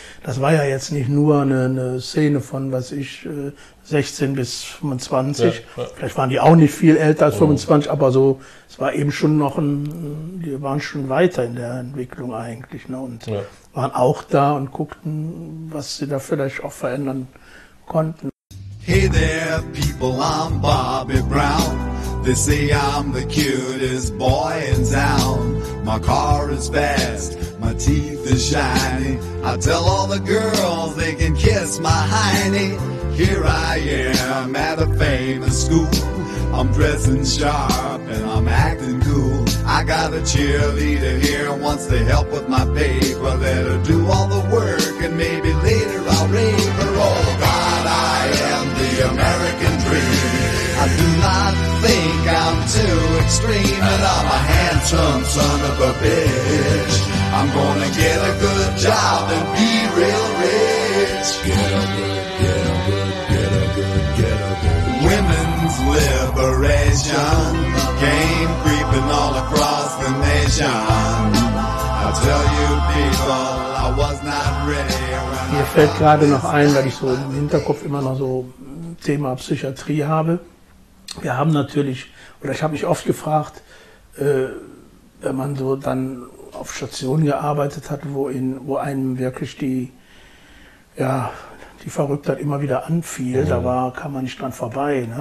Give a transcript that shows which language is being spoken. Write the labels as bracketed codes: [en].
[de] Das war ja jetzt nicht nur eine Szene von, was ich, 16 bis 25. Vielleicht waren die auch nicht viel älter als 25, aber so, es war eben schon noch die waren schon weiter in der Entwicklung eigentlich, ne, und waren auch da und guckten, was sie da vielleicht auch verändern konnten. [en] Hey there, people, I'm Bobby Brown. They say I'm the cutest boy in town. My car is fast, my teeth are shiny. I tell all the girls they can kiss my hiney. Here I am at a famous school. I'm dressing sharp and I'm acting cool. I got a cheerleader here, wants to help with my paper. Let her do all the work and maybe later I'll rave her. Oh God, I am the American dream. I do not think I'm too extreme, and I'm a handsome son of a bitch. I'm gonna get a good job and be real rich. Get a good, get a good, get a good, get a good. Women's liberation came creeping all across the nation. I tell you people, I was not ready. [de] Mir fällt gerade noch ein, weil ich so im Hinterkopf immer noch so Thema Psychiatrie habe. Wir haben natürlich, oder ich habe mich oft gefragt, wenn man so dann auf Stationen gearbeitet hat, wo einem wirklich die Verrücktheit immer wieder anfiel, da kam man nicht dran vorbei, ne?